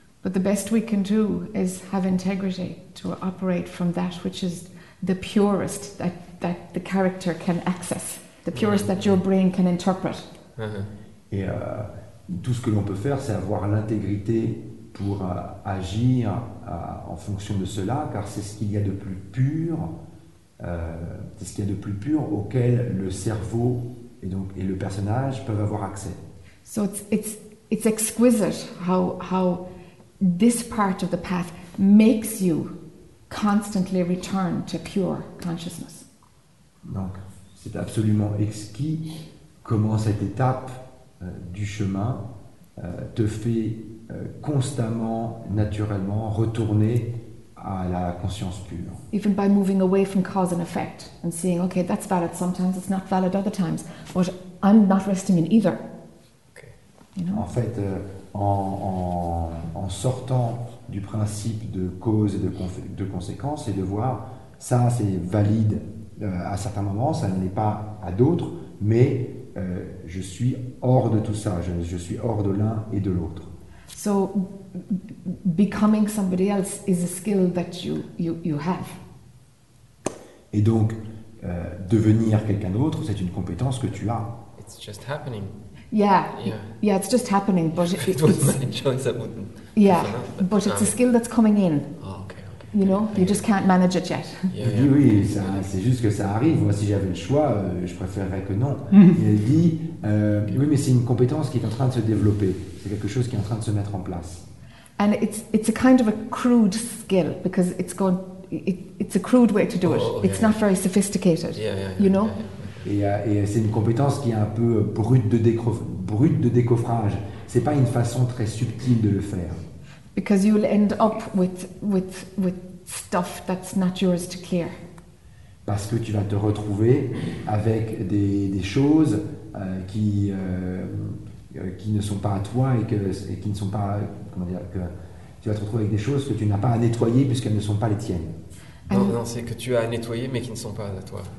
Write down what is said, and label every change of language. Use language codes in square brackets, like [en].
[en] But the best we can do is have integrity to operate from that which is the purest that the character can access, the purest that your brain can interpret. [fr] Et tout ce que l'on peut faire, c'est avoir l'intégrité pour agir en fonction de cela, car c'est ce qu'il y a de plus pur, c'est ce qu'il y a de plus pur auquel le cerveau et le personnage peuvent avoir accès. [en] So it's exquisite how this part of the path makes you constantly return to pure consciousness. [fr] Donc, c'est absolument exquis comment cette étape du chemin te fait constamment, naturellement retourner à la conscience pure. [en] Even by moving away from cause and effect and seeing, okay, that's valid sometimes, it's not valid other times, but I'm not resting in either. [fr] En fait, en sortant du principe de cause et de conséquence, et de voir ça, c'est valide à certains moments, ça ne l'est pas à d'autres, mais je suis hors de tout ça, je suis hors de l'un et de l'autre. [en] So becoming somebody else is a skill that you have. [fr] Et donc, devenir quelqu'un d'autre, c'est une compétence que tu as. [en] It's just happening. Yeah, it's just happening, but If it was my choice, I wouldn't yeah, enough, but it's a skill that's coming in. Oh, okay. You know, you just can't manage it yet. [fr] Oui, c'est juste que ça arrive. Moi, si j'avais le choix, je préférerais que non. Il dit, oui, mais c'est une compétence qui est en train de se développer. C'est quelque chose qui est en train de se mettre en place. [en] And it's a kind of a crude skill because it's a crude way to do it. Oh, It's not very sophisticated, you know? [fr] Et c'est une compétence qui est un peu brute de décoffrage. C'est pas une façon très subtile de le faire. [en] Because you'll end up with stuff that's not yours to clear. [fr] Parce que tu vas te retrouver avec des choses qui ne sont pas à toi et qui ne sont pas, comment dire, que tu vas te retrouver avec des choses que tu n'as pas à nettoyer puisqu'elles ne sont pas les tiennes. Non, non, c'est que tu as à nettoyer, mais qui ne sont pas à toi.